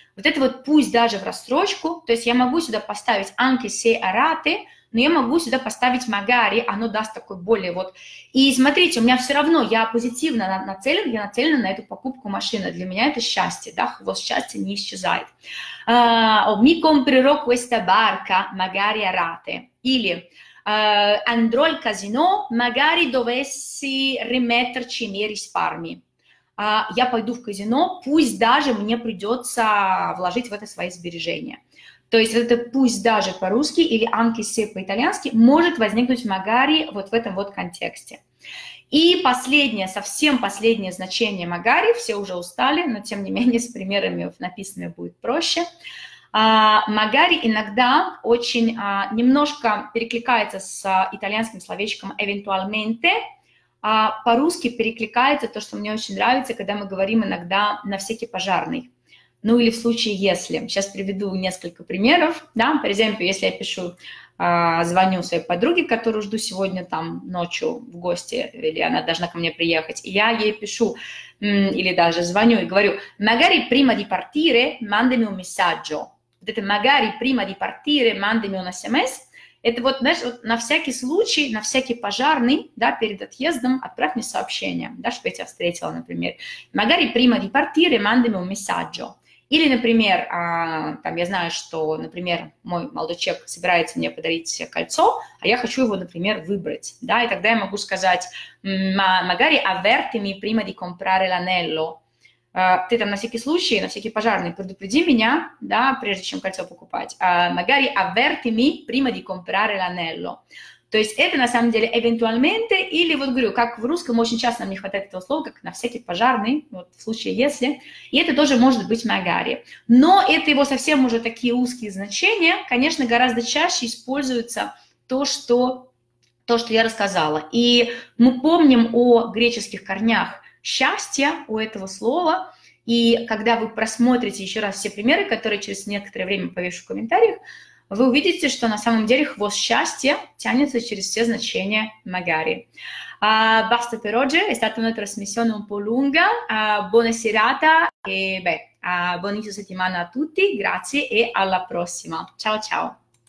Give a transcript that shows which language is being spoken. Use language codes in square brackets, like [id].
[ru] Вот это вот пусть даже в рассрочку, то есть я могу сюда поставить [it] anche se a rate, [ru] но я могу сюда поставить magari, оно даст такой более вот. И смотрите, у меня все равно, я позитивно нацелен, я нацелена на эту покупку машины. Для меня это счастье, да, хвост счастья не исчезает. [it] Mi comprerò questa barca magari a rate. [ru] Или... [it] andrò al casino, magari dovessi rimetterci i miei risparmi. [ru] Я пойду в казино, пусть даже мне придется вложить в это свои сбережения. То есть это пусть даже по-русски или [it] anche se [ru] по-итальянски может возникнуть magari вот в этом вот контексте. И последнее, совсем последнее значение magari, все уже устали, но тем не менее с примерами написанными будет проще. Magari иногда очень немножко перекликается с итальянским словечком eventualmente, а по-русски перекликается то, что мне очень нравится, когда мы говорим иногда на всякий пожарный, ну или в случае если. Сейчас приведу несколько примеров, да, [en] for example, [ru] если я пишу, звоню своей подруге, которую жду сегодня там ночью в гости, или она должна ко мне приехать, и я ей пишу, или даже звоню и говорю, [it] magari prima di partire mandami un messaggio. [ru] Вот это [it] magari prima di partire mandami un sms. [ru] Это вот, знаешь, вот на всякий случай, на всякий пожарный, да, перед отъездом отправь мне сообщение, да, чтобы я тебя встретила, например. [it] Magari prima di partire mandami un messaggio. [ru] Или, например, там я знаю, что, например, мой молодой человек собирается мне подарить кольцо, а я хочу его, например, выбрать, да, и тогда я могу сказать [it] magari avvertimi prima di comprare l'anello. [ru] Ты там на всякий случай, на всякий пожарный, предупреди меня, да, прежде чем кольцо покупать. [it] Magari avvertimi prima di comprare l'anello. [ru] То есть это на самом деле eventualmente, или вот говорю, как в русском очень часто нам не хватает этого слова, как на всякий пожарный, вот в случае если, и это тоже может быть magari. Но это его совсем уже такие узкие значения, конечно, гораздо чаще используются то, что я рассказала. И мы помним о греческих корнях счастья у этого слова. И когда вы просмотрите еще раз все примеры, которые через некоторое время повешу в комментариях, вы увидите, что на самом деле хвост счастья тянется через все значения «magari». [it] Basta per oggi, è stata una trasmissione un po' lunga. Buona serata e buon inizio settimana a tutti. Grazie e alla prossima. Ciao ciao.